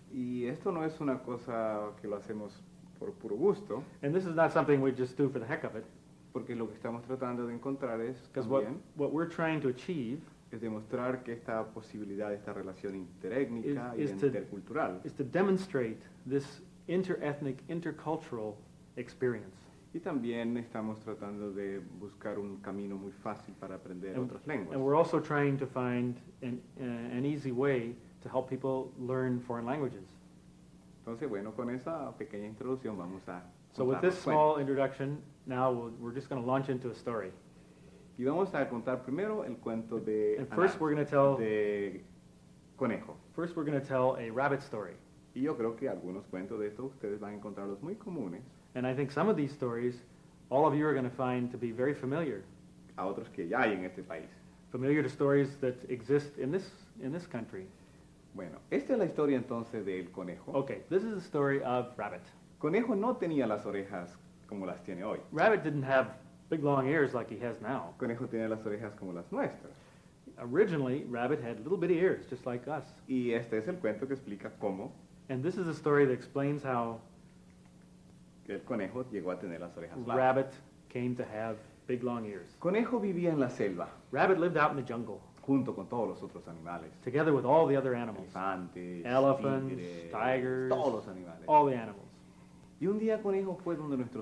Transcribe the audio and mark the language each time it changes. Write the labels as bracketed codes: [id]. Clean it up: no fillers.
[es] Y esto no es una cosa que lo hacemos por puro gusto. [en] And this is not something we just do for the heck of it. [es] Porque lo que estamos tratando de encontrar es también. [en] What we're trying to achieve [es] es demostrar que esta posibilidad, esta relación interétnica y intercultural. [en] Is to demonstrate this inter-ethnic, intercultural experience. [es] Y también estamos tratando de buscar un camino muy fácil para aprender [en] and, [es] otras lenguas. [en] And we're also trying to find an easy way to help people learn foreign languages. [es] Entonces, bueno, con esa pequeña introducción vamos a [en] so with this small introduction, now we're just going to launch into a story. [es] Y vamos a contar primero el cuento de [en] and first we're going to tell [es] de conejo. [en] First we're going to tell a rabbit story. [es] Y yo creo que algunos cuentos de estos ustedes van a encontrarlos muy comunes. [en] And I think some of these stories, all of you are going to find to be very familiar. [es] A otros que ya hay en este país. [en] Familiar to stories that exist in this country. [es] Bueno, esta es la historia entonces del conejo. [en] Okay, this is the story of Rabbit. [es] Conejo no tenía las orejas como las tiene hoy. [en] Rabbit didn't have big long ears like he has now. [es] Conejo tenía las orejas como las nuestras. [en] Originally, Rabbit had little bitty ears, just like us. [es] Y este es el cuento que explica cómo. [en] And this is a story that explains how [es] el conejo llegó a tener las orejas largas. [en] Rabbit came to have big long ears. [es] Conejo vivía en la selva. [en] Rabbit lived out in the jungle. [es] Junto con todos los otros animales. [en] Together with all the other animals. [es] Elefantes, [en] elephants, [es] tigres, [en] tigers. [es] Todos los animales. [en] All the animals. [es] Y un día conejo fue donde nuestro